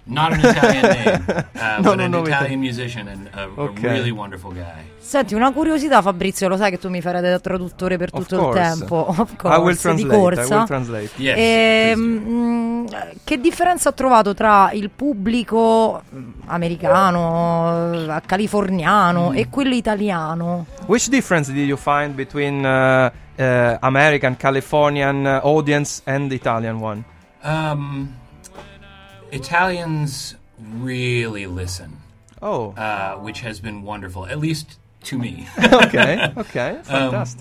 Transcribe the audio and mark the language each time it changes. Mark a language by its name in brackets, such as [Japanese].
[English] Not an Italian name, but an Italian musician and okay. A really wonderful guy. [Italian] Senti, una curiosità, Fabrizio, lo sai che tu mi farai da traduttore per tutto il tempo. [English] Of course. Of course, [Italian] di corsa. [English] I will translate. Yes. [Italian] Che differenza ha trovato tra il pubblico americano, californiano e quello italiano? [English] Which difference did you find between American, Californian audience and the Italian one? Italians really listen. Oh. Which has been wonderful, at least to me. okay, fantastic.